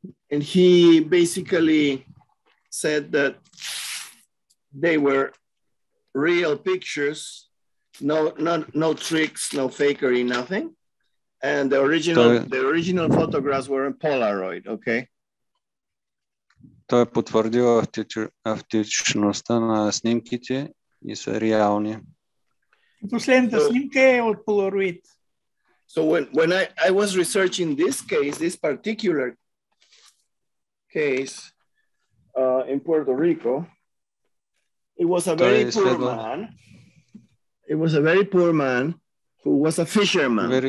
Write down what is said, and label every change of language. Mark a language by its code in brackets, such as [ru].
[en] And he basically said that they were real pictures, no tricks, no fakery, nothing. And the original photographs were in Polaroid, okay? [bg] Той потвърдил автентичността на снимките и са реални. Последната снимка е от Polaroid. [en] So when I was researching this case, this particular case in Puerto Rico, it was a very poor man. It was a very poor man who was a fisherman.